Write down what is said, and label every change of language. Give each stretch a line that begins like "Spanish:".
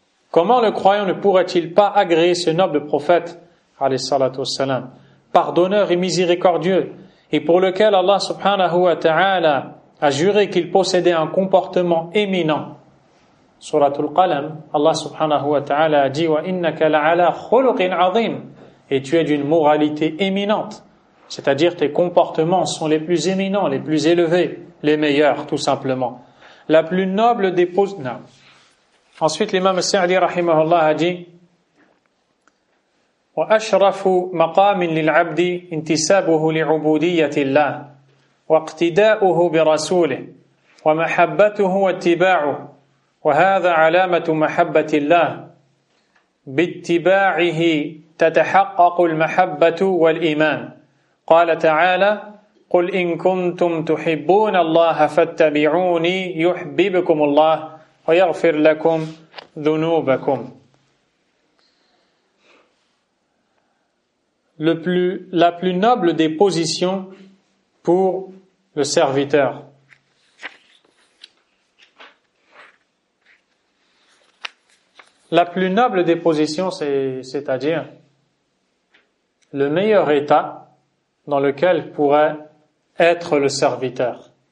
French: Comment le croyant ne pourrait-il pas agréer ce noble prophète, alayhi salatu wassalam, pardonneur et miséricordieux, et pour lequel Allah subhanahu wa ta'ala a juré qu'il possédait un comportement éminent. Suratul Qalam, Allah subhanahu wa ta'ala a dit «
Arabic: Wa innaka la'ala khuluqin azim
French: » et tu es d'une moralité éminente, c'est-à-dire tes comportements sont les plus éminents, les plus élevés, les meilleurs tout simplement. La plus noble des poses... Non. Ensuite l'imam Sa'di rahimahullah a dit
Arabic: « Wa ashrafu maqamin lil'abdi intisabuhu li'ubudiyyati Allah » واقتداؤه برسوله ومحبته واتباعه وهذا علامة محبة الله باتباعه تتحقق المحبة والإيمان قال تعالى قل إن كنتم تحبون الله فاتبعوني يحببكم الله ويغفر لكم ذنوبكم.
French: La plus noble des positions pour le serviteur. La plus noble des positions, c'est-à-dire le meilleur état dans lequel pourrait être le serviteur.